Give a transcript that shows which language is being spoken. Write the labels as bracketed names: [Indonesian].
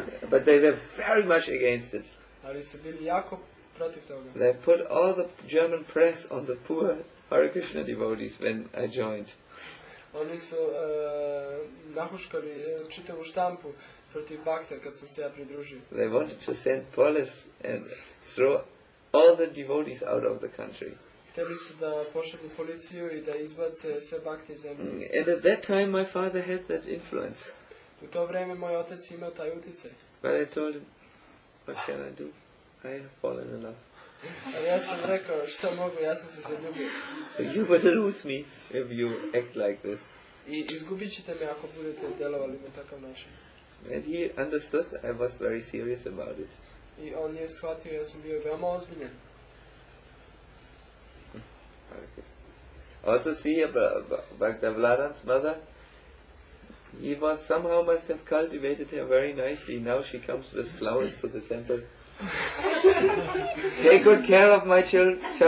[English] But they were very much against it. [Serbian] Ali su bili jako protiv toga. [English] They put all the German press on the poor Hare Krishna devotees when I joined. [Serbian] Oni su nahuškali čitavu štampu protiv Bhakta kad sam se ja pridružio. [English] They wanted to send police and throw all the devotees out of the country. [Serbian] Hteli su da pošalju policiju i da izbace sve Bhakte iz zemlje. [English] And at that time my father had that influence. [Serbian] U to vreme moj otac imao taj uticaj. [English] But I told him, what can I do? I have fallen in love. [Serbian] Ja sam rekao, šta mogu, ja sam se zaljubio. [English] So you will lose me if you act like this. [Serbian] I izgubit ćete me ako budete delovali na takav način. [English] And he understood I was very serious about it. [Serbian] I on je shvatio, ja sam bio veoma ozbiljan. [English] Also see Bhaktavladan's mother. He was somehow must have cultivated her very nicely. Now she comes with flowers to the temple. Take good care of my child.